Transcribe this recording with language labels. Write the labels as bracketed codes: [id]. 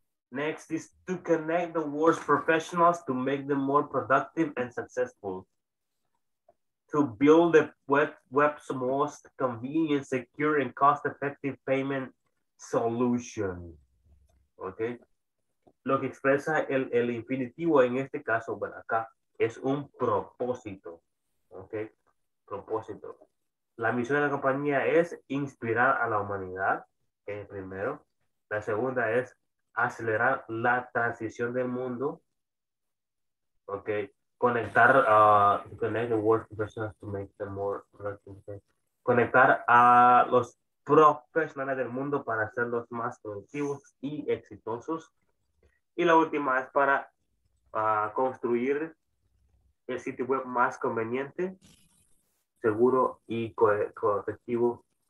[en] Next is to connect the world's professionals to make them more productive and successful. To build the web's most convenient, secure, and cost-effective payment solution. Okay. [es] Lo que expresa el infinitivo en este caso, bueno, acá, es un propósito. Okay. Propósito. La misión de la compañía es inspirar a la humanidad, el primero. La segunda es acelerar la transición del mundo. Okay. [en] Conectar, connect the world professionals to make them more productive. [es] Conectar a los profesionales del mundo para hacerlos más productivos y exitosos. Y la última es para construir el sitio web más conveniente, seguro y co-efectivo.